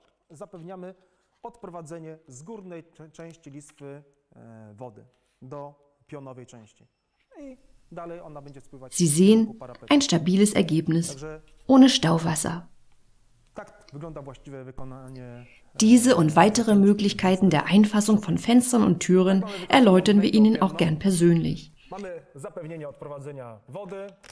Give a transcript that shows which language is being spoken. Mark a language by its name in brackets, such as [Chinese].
[Polish] Zapewniamy odprowadzenie z górnej części listwy wody do pionowej części. I dalej ona będzie spływać. [German] Sie sehen, ein stabiles Ergebnis, ohne Stauwasser. [Polish] Tak wygląda właściwe wykonanie. [German] Diese und weitere Möglichkeiten der Einfassung von Fenstern und Türen erläutern wir Ihnen auch gern persönlich. [Polish] Mamy zapewnienie odprowadzenia wody.